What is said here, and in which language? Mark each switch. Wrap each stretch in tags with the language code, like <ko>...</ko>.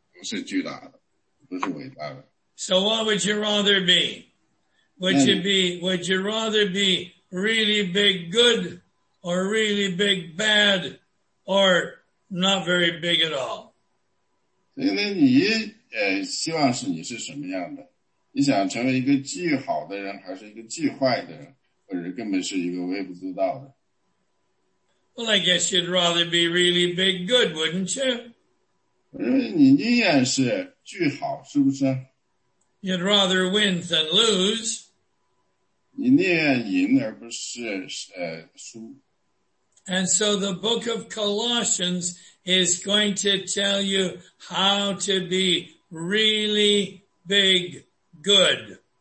<zh>现在这里面有两件事关于这个巨大，你可能一个是一个巨好的人，你可能是一个巨坏的人，你可能根本就没有说你不是巨大的，不是伟大的。</zh> <en>So what would you rather be? Would you rather be really big good or really big bad or not very big at all?</en> <zh>所以呢，你希望是你是什么样的？你想成为一个既好的人，还是一个既坏的人，或者根本是一个微不足道的？</zh> <en>Well, I guess you'd rather be really big good, wouldn't you?</en> <zh>我认为你宁愿是巨好，是不是？</zh> <en>You'd rather win than lose.</en> <zh>你宁愿赢而不是输。</zh> <en>And so the book of Colossians is going to tell you how to be really big good.</en>